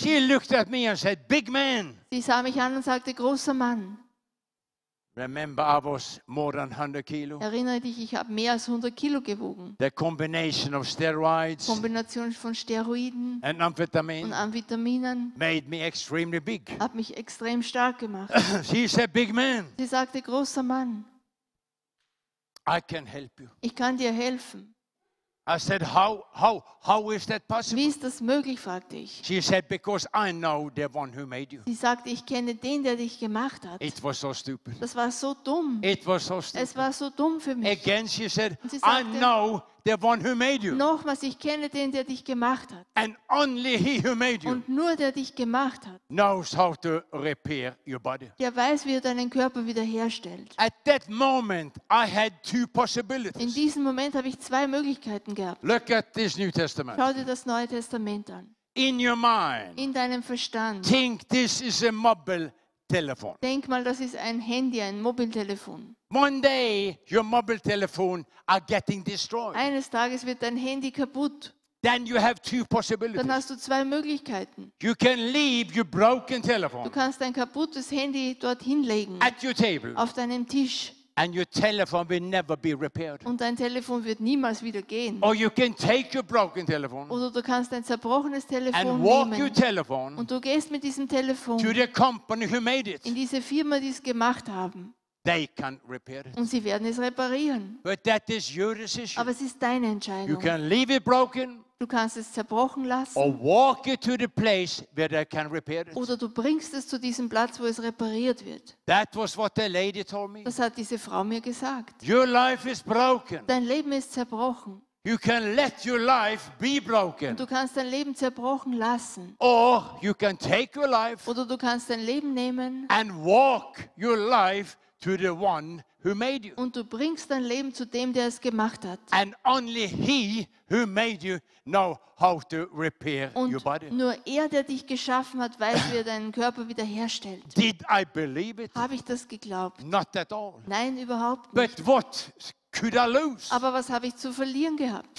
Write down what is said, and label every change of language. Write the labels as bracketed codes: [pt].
[en] She looked at me and said, "Big man." [de] Sie sah mich an und sagte, großer Mann. [en] Remember, I was more than 100 kilo. [de] Erinnere dich, ich habe mehr als 100 Kilo gewogen. [en] The combination of steroids. [de] Kombination von Steroiden. [en] And amphetamine. [de] Und Amphetaminen. [en] Made me extremely big. [de] Hat mich extrem stark gemacht. [en] She said, "Big man." [de] Sie sagte, großer Mann. [en] I can help you. [de] Ich kann dir helfen. [en] I said, how is that possible? [de] Wie ist das möglich, fragte ich. [en] She said, because I know the one who made you. [de] Sie sagte, ich kenne den, der dich gemacht hat. [en] It was so stupid. [de] Das war so dumm. [en] It was so stupid. [de] Es war so dumm für mich. [en] Again, she said, I know the one who made you. [de] Nochmals, ich kenne den, der dich gemacht hat. [en] And only he who made you. [de] Und nur der dich gemacht hat. [en] Knows how to repair your body. [de] Der weiß, wie er deinen Körper wiederherstellt. [en] At that moment, I had 2 possibilities. [de] In diesem Moment habe ich 2 Möglichkeiten gehabt. [en] Look at this New Testament. [de] Schau dir das Neue Testament an. [en] In your mind. [de] In deinem Verstand. [en] Think this is a mobile telephone. [de] Denk mal, das ist ein Handy, ein Mobiltelefon. [en] One day your mobile telephone are getting destroyed. [de] Eines Tages wird dein Handy kaputt. [en] Then you have two possibilities. [de] Dann hast du zwei Möglichkeiten. [en] You can leave your broken telephone. [de] Du kannst dein kaputtes Handy dorthin legen. [en] At your table. [de] Auf deinem Tisch. [en] And your telephone will never be repaired. [de] Und dein Telefon wird niemals wieder gehen. [en] Or you can take your broken telephone. [de] Oder du kannst dein zerbrochenes Telefon [en] and [de] nehmen. [en] Walk your telephone. [de] Und du gehst mit diesem Telefon. [en] To the company who made it. [de] In diese Firma, die es gemacht haben. [en] They can repair it. [de] Und sie werden es reparieren. [en] But that is your decision. [de] Aber es ist deine Entscheidung. [en] You can leave it broken. [de] Du kannst es zerbrochen lassen. [en] Or walk it to the place where they can repair it. [de] Oder du bringst es zu diesem Platz, wo es repariert wird. [en] That was what the lady told me. [de] Das hat diese Frau mir gesagt. [en] Your life is broken. [de] Dein Leben ist zerbrochen. [en] You can let your life be broken. [de] Und du kannst dein Leben zerbrochen lassen. [en] Or you can take your life. [de] Oder du kannst dein Leben nehmen. [en] And walk your life to the one who made you. [de] Und du bringst dein Leben zu dem, der es gemacht hat. [en] And only he who made you know how to repair your body. [de] Nur er, der dich geschaffen hat, weiß, wie er deinen Körper wiederherstellt. [en] Did I believe it? [de] Habe ich das geglaubt? [en] Not at all. [de] Nein, überhaupt nicht. [en] But what could I lose? [de] Aber was habe ich zu verlieren gehabt?